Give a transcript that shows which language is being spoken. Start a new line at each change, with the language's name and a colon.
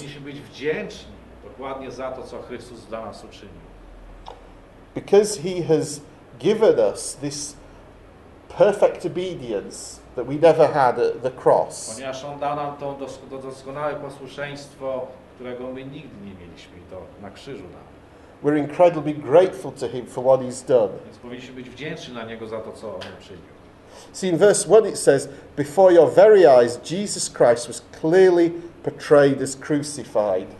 Polish: Powinniśmy być wdzięczni dokładnie za to, co Chrystus dla nas uczynił.
English: Because he has given us this perfect obedience that we never had at the cross.
Polish: Ponieważ on dał nam to doskonałe posłuszeństwo, którego my nigdy nie mieliśmy, to na krzyżu nam.
English: We're incredibly grateful to him for what he's done.
Polish: Więc powinniśmy być wdzięczni na niego za to, co on uczynił.
English: See, in verse 1 it says, before your very eyes, Jesus Christ was clearly portrayed as crucified.